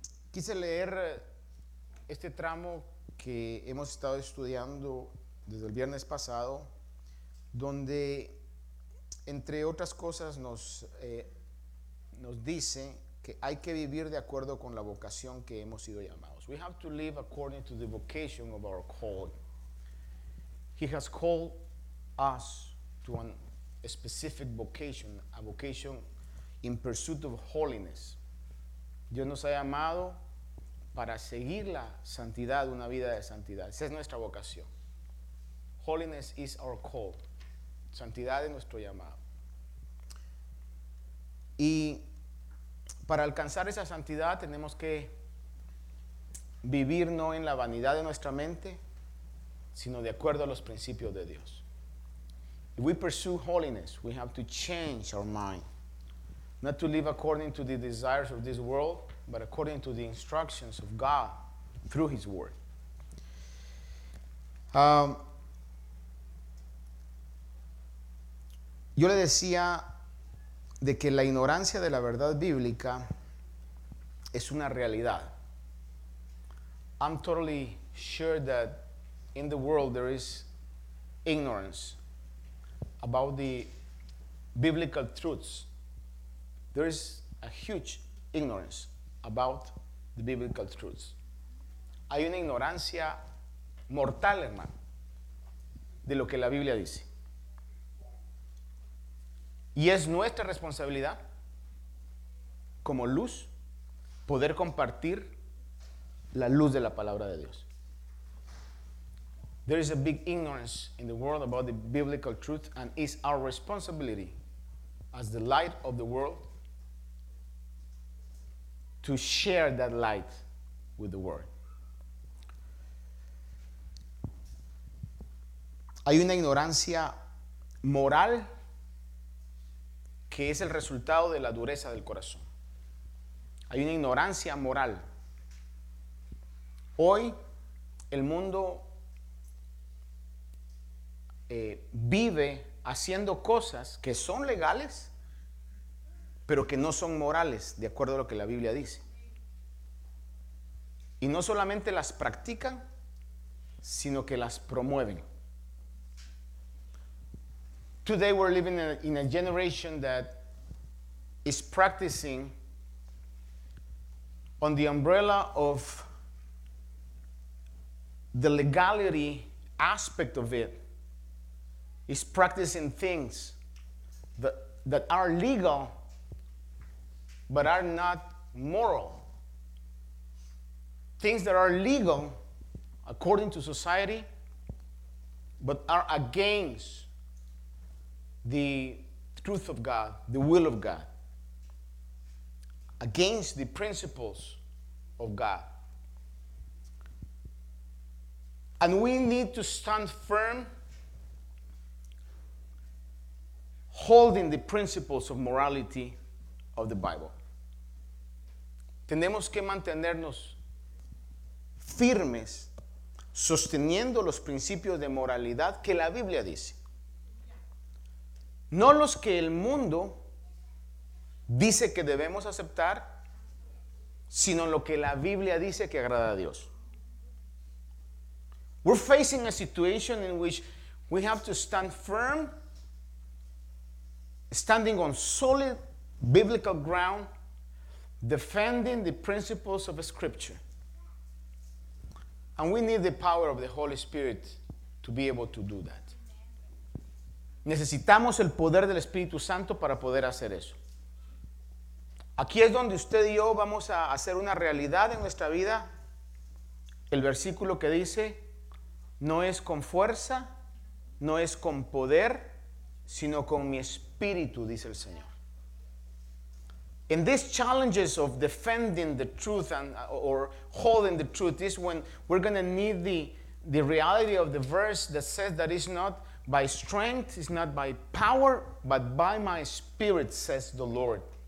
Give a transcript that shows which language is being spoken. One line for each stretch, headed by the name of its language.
Spanish: Quise leer este tramo que hemos estado estudiando desde el viernes pasado, donde entre otras cosas nos dice que hay que vivir de acuerdo con la vocación que hemos sido llamados.
English: We have to live according to the vocation of our call. He has called us to a specific vocation, a vocation in pursuit of holiness.
Spanish: Dios nos ha llamado para seguir la santidad, una vida de santidad. Esa es nuestra vocación.
English: Holiness is our call.
Spanish: Santidad es nuestro llamado. Y para alcanzar esa santidad tenemos que vivir no en la vanidad de nuestra mente, sino de acuerdo a los principios de Dios.
English: If we pursue holiness, we have to change our mind. Not to live according to the desires of this world, but according to the instructions of God through His Word.
Spanish: Yo le decía de que la ignorancia de la verdad bíblica es una realidad.
English: I'm totally sure that in the world there is ignorance about the biblical truths. There is a huge ignorance about the biblical truths.
Spanish: Hay una ignorancia mortal, hermano, de lo que la Biblia dice. Y es nuestra responsabilidad, como luz, poder compartir la luz de la palabra de Dios.
English: There is a big ignorance in the world about the biblical truth, and it's our responsibility as the light of the world to share that light with the world.
Spanish: Hay una ignorancia moral que es el resultado de la dureza del corazón. Hay una ignorancia moral. Hoy el mundo vive haciendo cosas que son legales, pero que no son morales, de acuerdo a lo que la Biblia dice. Y no solamente las practican, sino que las promueven.
English: Today we're living in a generation that is practicing on the umbrella of the legality aspect of it, is practicing things that are legal but are not moral. Things that are legal according to society but are against the truth of God, the will of God, against the principles of God. And we need to stand firm holding the principles of morality of the Bible.
Spanish: Tenemos que mantenernos firmes sosteniendo los principios de moralidad que la Biblia dice. No los que el mundo dice que debemos aceptar, sino lo que la Biblia dice que agrada a Dios.
English: We're facing a situation in which we have to stand firm, standing on solid biblical ground, defending the principles of Scripture. And we need the power of the Holy Spirit to be able to do that.
Spanish: Necesitamos el poder del Espíritu Santo para poder hacer eso. Aquí es donde usted y yo vamos a hacer una realidad en nuestra vida. El versículo que dice, no es con fuerza, no es con poder, sino con mi Espíritu, dice el Señor.
English: In these challenges of defending the truth and or holding the truth is when we're going to need the reality of the verse that says that it's not by strength, it's not by power, but by my Spirit, says the Lord.